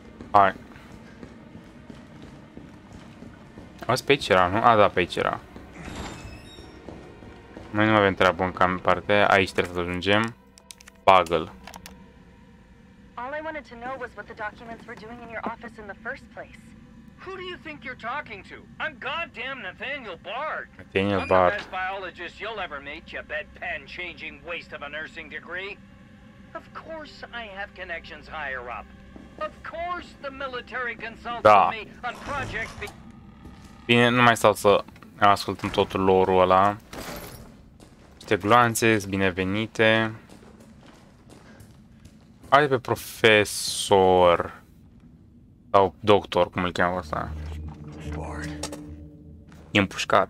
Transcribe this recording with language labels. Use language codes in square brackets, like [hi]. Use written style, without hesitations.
[ro] Hai. Azi pe aici era, nu? A, da, pe aici era. Noi nu avem treabă în cam parte, aici trebuie să ajungem. Bagă-l. [en] All I wanted to know was what the documents were doing in your office in the first place. Who do you think you're talking to? I'm goddamn Nathaniel Bard. Nathaniel Bard. I'm the best biologist you'll ever meet, you bedpan changing waste of a nursing degree. Of course I have connections higher up. Of course the military consulted me on projects. [ro] Bine, nu mai stau să ascultăm totul lorul ăla. Niște gloanțe, binevenite. Hai pe profesor. Sau doctor, cum îl cheamă ăsta. Bard. E împușcat.